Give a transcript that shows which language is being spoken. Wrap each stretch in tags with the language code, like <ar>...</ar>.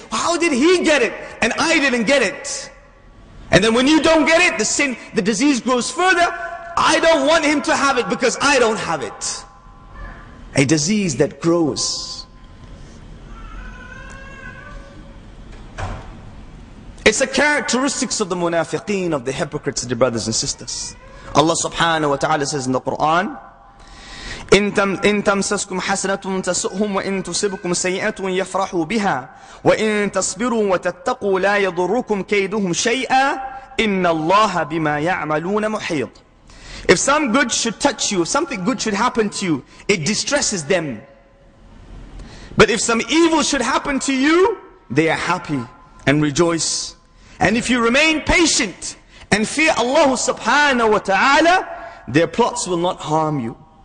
<en>How did he get it and I didn't get it? And then when you don't get it, the sin, the disease grows further. I don't want him to have it because I don't have it. A disease that grows. It's a characteristics of the munafiqeen, of the hypocrites, dear brothers and sisters. Allah subhanahu wa ta'ala says in the Quran,</en> <ar>إن تمسسكم حسنة تسؤهم وإن تصبكم سيئة يفرحوا بها وإن تصبروا وتتقوا لا يضركم كيدهم شيئا إن الله بما يعملون محيط.</ar> <en>If some good should touch you, something good should happen to you, it distresses them. But if some evil should happen to you, they are happy and rejoice. And if you remain patient and fear Allah subhanahu wa ta'ala, their plots will not harm you.</en>